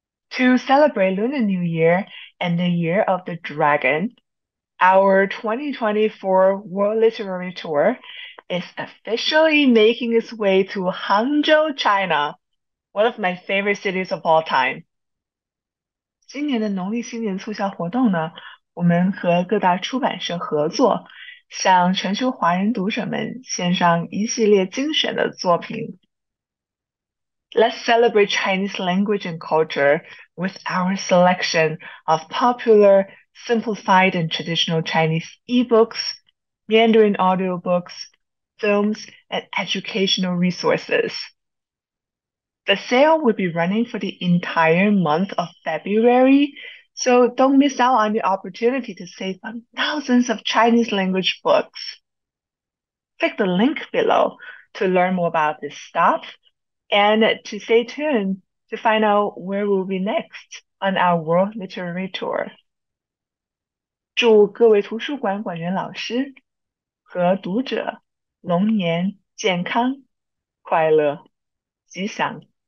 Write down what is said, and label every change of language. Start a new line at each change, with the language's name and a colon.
English: To celebrate Lunar New Year and the Year of the Dragon, our 2024 World Literary Tour is officially making its way to Hangzhou, China, one of my favorite cities of all time.
Chinese: 今年的农历新年促销活动呢，我们和各大出版社合作。向全球华人读者们献上一系列精选的作品。
English: Let's celebrate Chinese language and culture with our selection of popular, simplified, and traditional Chinese e-books, Mandarin audiobooks, films, and educational resources. The sale will be running for the entire month of February. So don't miss out on the opportunity to save on thousands of Chinese language books. Click the link below to learn more about this stop and to stay tuned to find out where we'll be next on our world literary tour.
Chinese: 祝各位图书馆馆员老师和读者龙年健康、快乐、吉祥。